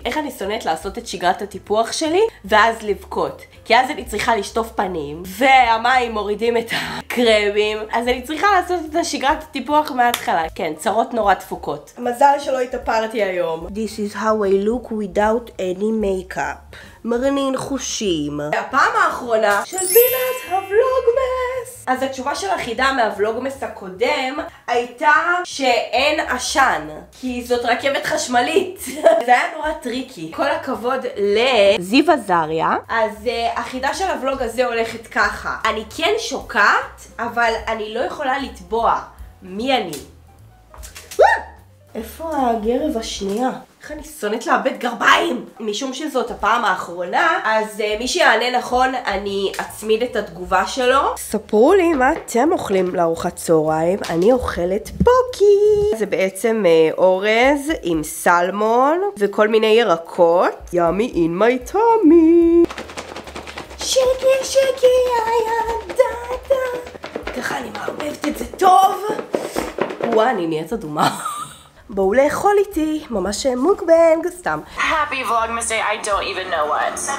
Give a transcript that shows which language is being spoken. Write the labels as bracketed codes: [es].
[he] איך אני שונאת לעשות את שגרת הטיפוח שלי ואז לבכות? כי אז אני צריכה לשטוף פנים והמים מורידים את הקרמים, אז אני צריכה לעשות את השגרת הטיפוח מההתחלה. כן, צרות נורא דפוקות. מזל שלא התאפרתי היום. [en] This is how I look without any makeup. [he] מרנין חושים. הפעם האחרונה של בינת הוולוגמס. אז התשובה של החידה מהוולוגמס הקודם הייתה שאין אשן, כי זאת רכבת חשמלית. זה היה נורא טריקי. כל הכבוד לזיו עזריה. אז החידה של הוולוג הזה הולכת ככה. אני כן שוקעת, אבל אני לא יכולה לטבוע. מי אני? איפה הגרב השנייה? איך אני שונאת לאבד גרביים? משום שזאת הפעם האחרונה, אז מי שיענה נכון, אני אצמיד את התגובה שלו. ספרו לי מה אתם אוכלים לארוחת צהריים, אני אוכלת פוקי. זה בעצם אורז עם סלמון וכל מיני ירקות. [en] ימי אין מי טומי. שקי שקי יא דאדה. [he] ככה אני מערבבת את זה טוב. וואה, אני נהיית אדומה. בואו לאכול איתי, ממש מוקבנג, סתם. [en] Happy Vlogmas Day, I don't even know what.